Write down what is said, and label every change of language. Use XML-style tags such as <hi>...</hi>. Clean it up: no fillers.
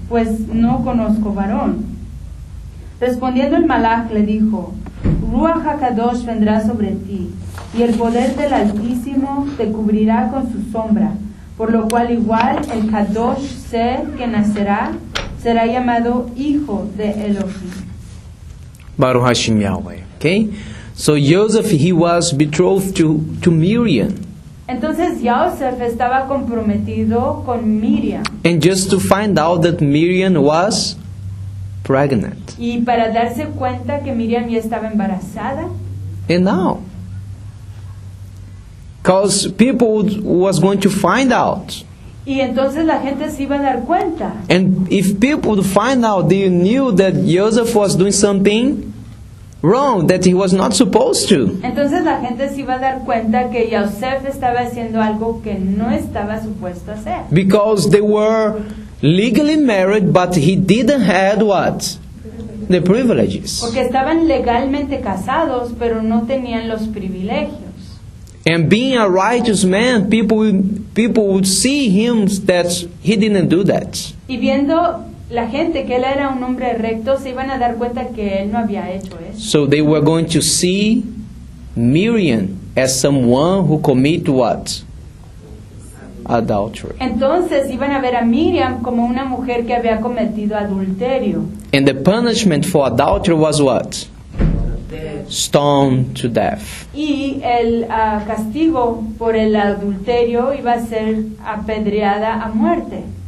<es>Pues no conozco varón. Respondiendo el Malach le dijo, Ruach HaKadosh vendrá sobre ti, y el poder del Altísimo te cubrirá con su sombra, por lo cual igual el Kadosh ser que nacerá, será llamado Hijo de Elohim.</es> <he>Baruch Hashem Yahweh. Okay?</he> <en>So Joseph, he was betrothed to Miriam.</en> <es>Entonces Joseph estaba comprometido con Miriam.</es> <en>And just to find out that Miriam was pregnant.</en> <es>Y para darse cuenta que Miriam ya estaba embarazada.</es> <en>And now. Because people was going to find out.</en> <es>Y entonces la gente se iba a dar cuenta.</es> <en>And if people would find out, they knew that Joseph was doing something wrong, that he was not supposed to.</en> <es>Entonces la gente se iba a dar cuenta que Joseph estaba haciendo algo que no estaba supuesto hacer.</es> <en>Because they were legally married, but he didn't had what? The privileges.</en> <es>Porque estaban legalmente casados, pero no tenían los privilegios.</es> <en>And being a righteous man, people would see him that he didn't do that.</en> <es>Y viendo la gente que él era un hombre recto, se iban a dar cuenta que él no había hecho eso.</es> <en>So they were going to see Miriam as someone who commit what? Adultery.</en> <es>Entonces iban a ver a Miriam como una mujer que había cometido adulterio.</es> <en>And the punishment for adultery was what? Stone to death.</en> <es>Y el castigo por el adulterio iba a ser apedreada a muerte.</es>